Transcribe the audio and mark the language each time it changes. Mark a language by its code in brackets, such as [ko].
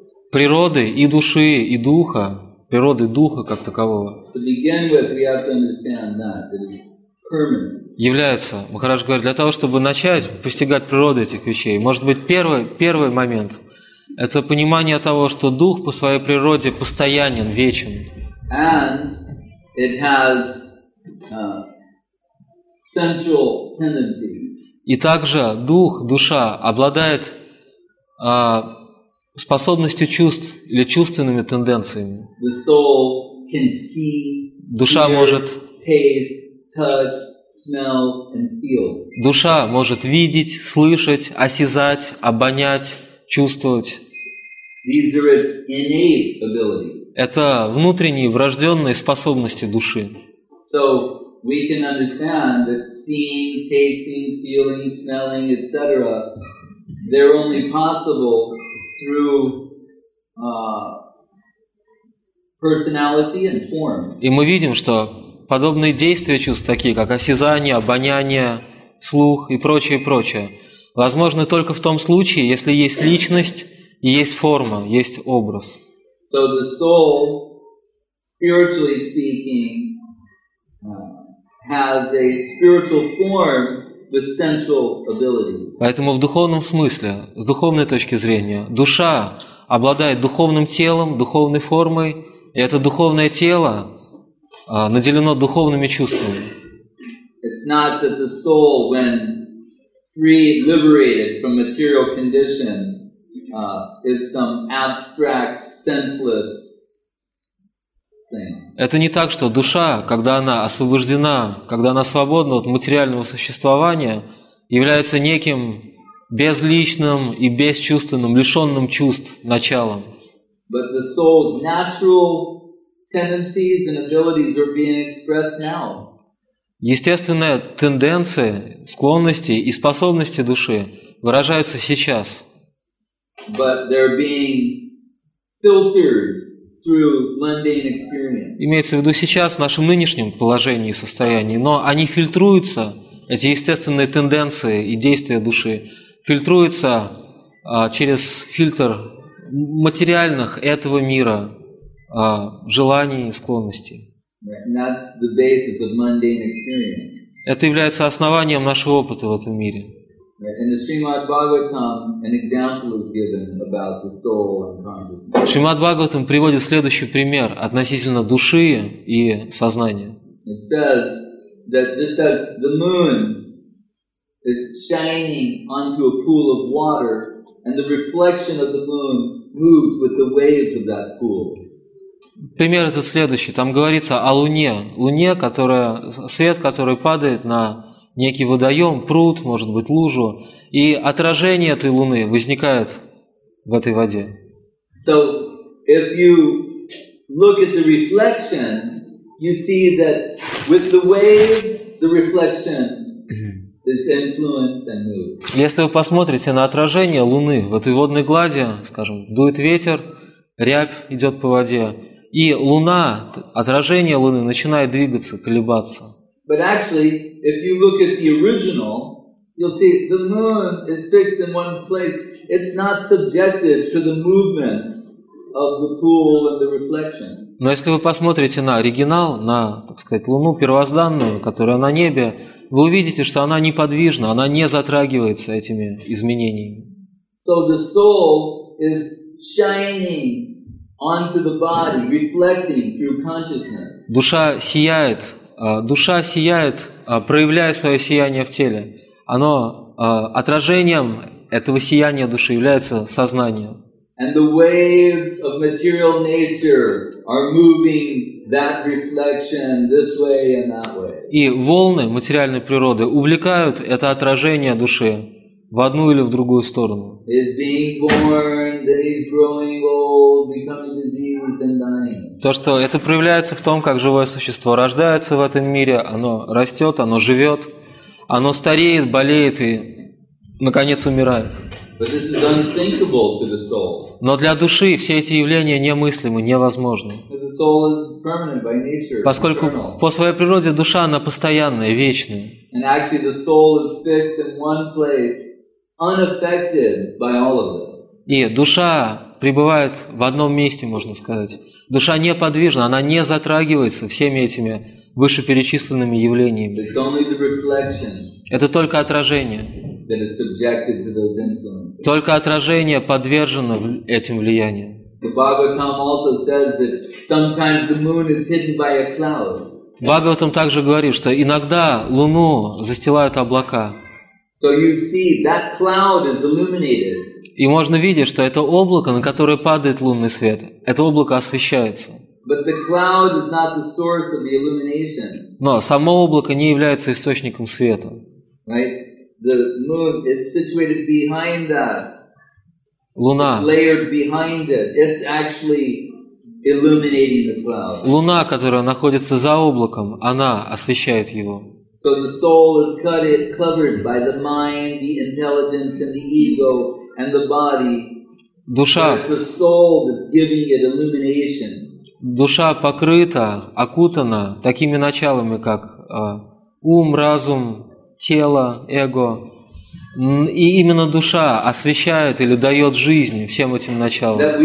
[ru] Природы и души, и духа, природы духа как такового. [en] To begin with, we have to understand that. [ru] Является, Махарадж говорит, для того, чтобы начать постигать природу этих вещей. Может быть, первый момент – это понимание того, что дух по своей природе постоянен, вечен. [en] And it has, sensual tendencies. [ru] И также дух, душа, обладает способностью чувств или чувственными тенденциями. [en] The soul can see, [ru] душа [en] hear, [ru] может [en] taste, touch, smell and feel. [ru] Душа может видеть, слышать, осязать, обонять, чувствовать. [en] These are its innate abilities. [ru] Это внутренние, врожденные способности души. [en] So we can understand that seeing, tasting, feeling, smelling, etc., they're only possible through personality and form. [ru] И мы видим, что подобные действия чувств, такие как осязание, обоняние, слух и прочее, возможны только в том случае, если есть личность и есть форма, есть образ. [en] So the soul, spiritually speaking, has a spiritual form with sensual abilities. [ru] Поэтому в духовном смысле, с духовной точки зрения, душа обладает духовным телом, духовной формой, и это духовное тело наделено духовными чувствами. [en] It's not that the soul, when free, liberated from material condition, is some abstract, senseless thing. [ru] Это не так, что душа, когда она освобождена, когда она свободна от материального существования, является неким безличным и бесчувственным, лишенным чувств началом. [en] But the soul's natural tendencies and abilities are being expressed now. [ru] Естественные тенденции, склонности и способности души выражаются сейчас. [en] But they're being filtered through mundane experience. [ru] Имеется в виду сейчас в нашем нынешнем положении и состоянии, но они фильтруются, эти естественные тенденции и действия души фильтруются через фильтр материальных этого мира желаний и склонностей. Это является основанием нашего опыта в этом мире. [en] Right. about the soul and consciousness. [ru] Шримад Бхагаватам приводит следующий пример относительно души и сознания. [en] It says that just as the moon is shining onto a pool of water, and the reflection of the moon moves with the waves of that pool. [ru] Пример этот следующий. Там говорится о луне. Луне, которая, свет, который падает на некий водоем, пруд, может быть, лужу. И отражение этой луны возникает в этой воде. [en] So, if you look at the reflection, you see that with the waves, the reflection is influenced and moved. [ru] Если вы посмотрите на отражение луны в этой водной глади, скажем, дует ветер, рябь идет по воде, и луна, отражение луны начинает двигаться, колебаться. [en] But actually, if you look at the original, you'll see the moon is fixed in one place. It's not subjected to the movements of the pool and the reflection. [ru] Но если вы посмотрите на оригинал, на, так сказать, луну первозданную, которая на небе, вы увидите, что она неподвижна, она не затрагивается этими изменениями. [en] So the soul is shining onto the body, reflecting through consciousness. [ru] Душа сияет, проявляя свое сияние в теле. Оно отражением этого сияния души является сознание. [en] And the waves of material nature are moving that reflection this way and that way. [ru] И волны материальной природы увлекают это отражение души в одну или в другую сторону. [en] He's being born, then he's growing old, becoming diseased and dying. [ru] То, что это проявляется в том, как живое существо рождается в этом мире, оно растет, оно живет, оно стареет, болеет и, наконец, умирает. [en] But this is unthinkable to the soul. [ru] Но для души все эти явления немыслимы, невозможны. [en] The soul is permanent by nature, [ru] поскольку [en] eternal. [ru] По своей природе душа, она постоянная, вечная. [en] And actually the soul is fixed in one place, unaffected by all of it. [ru] И душа пребывает в одном месте, можно сказать. Душа неподвижна, она не затрагивается всеми этими вышеперечисленными явлениями. [en] It's only the reflection. [ru] Это только отражение. [en] That is subjected to those influences. [ru] Только отражение подвержено этим влияниям. [en] The Bhagavatam also says that sometimes the moon is hidden by a cloud. [ru] Бхагаватам также говорит, что иногда луну застилают облака. [en] So you see that cloud is illuminated. [ru] И можно видеть, что это облако, на которое падает лунный свет, это облако освещается. [en] But the cloud is not the source of the illumination. [ru] Но само облако не является источником света. [en] Right? The moon is situated behind that. [ru] Луна. [en] It's layered behind it. It's actually illuminating the cloud. [ru] Луна, которая находится за облаком, она освещает его. [en] So the soul is covered by the mind, the intelligence, and the ego, and the body. [ru] Душа. [en] It's the soul that's giving it illumination. [ru] Душа покрыта, окутана такими началами, как ум, разум, тело, эго, и именно душа освещает или дает жизнь всем этим началам.